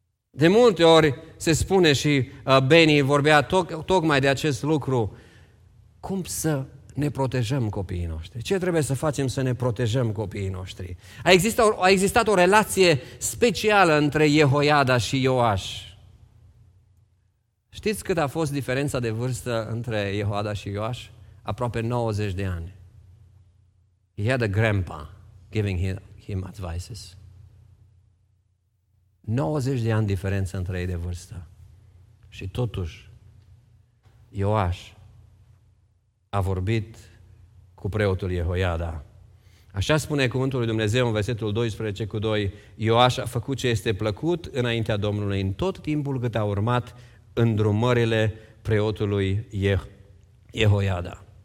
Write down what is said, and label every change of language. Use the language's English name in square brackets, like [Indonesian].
[Romanian] De multe ori se spune și Benny vorbea tocmai de acest lucru, cum să ne protejăm copiii noștri. Ce trebuie să facem să ne protejăm copiii noștri? A existat o relație specială între Jehoiada și Ioaș. Știți cât a fost diferența de vârstă între Jehoiada și Ioaș? Aproape 90 de ani. [English] He had a grandpa giving him advices. [Romanian] 90 de ani diferență între ei de vârstă. Și totuși, Ioaș a vorbit cu preotul Jehoiada. Așa spune cuvântul lui Dumnezeu în versetul 12:2, Ioaș a făcut ce este plăcut înaintea Domnului în tot timpul cât a urmat îndrumările preotului Jehoiada.